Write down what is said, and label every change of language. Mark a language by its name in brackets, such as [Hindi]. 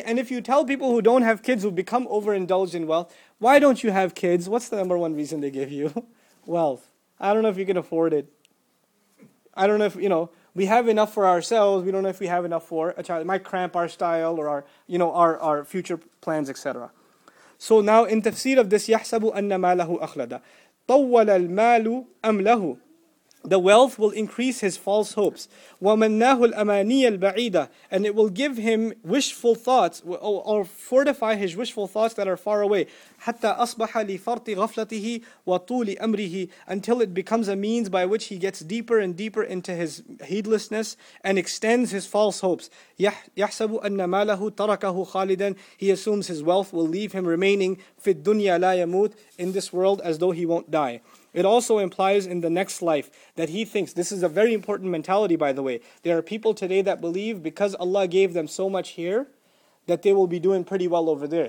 [English] And if you tell people who don't have kids who become overindulged in wealth, why don't you have kids? What's the number one reason they give you? Wealth. I don't know if you can afford it. I don't know if, you know, we have enough for ourselves. We don't know if we have enough for a child. It might cramp our style or our, you know, our future plans, etc. So now in tafsir of this, [Arabic] يَحْسَبُ أَنَّ مَالَهُ أَخْلَدَ طَوَّلَ الْمَالُ أَمْ لَهُ. [English] The wealth will increase his false hopes. [Arabic] وَمَنَّهُ الْأَمَانِيَ الْبَعِيدَ. [English] And it will give him wishful thoughts, or fortify his wishful thoughts that are far away. [Arabic] حَتَّى أَصْبَحَ لِفَرْطِ غَفْلَتِهِ وَطُولِ أَمْرِهِ. [English] Until it becomes a means by which he gets deeper and deeper into his heedlessness and extends his false hopes. [Arabic] يَحْسَبُ أَنَّ مَالَهُ تَرَكَهُ خَالِدًا. [English] He assumes his wealth will leave him remaining [Arabic] فِي الدُّنْيَا لَا يَمُوتُ, [English] in this world as though he won't die. It also implies in the next life that he thinks, this is a very important mentality by the way, there are people today that believe because Allah gave them so much here, that they will be doing pretty well over there.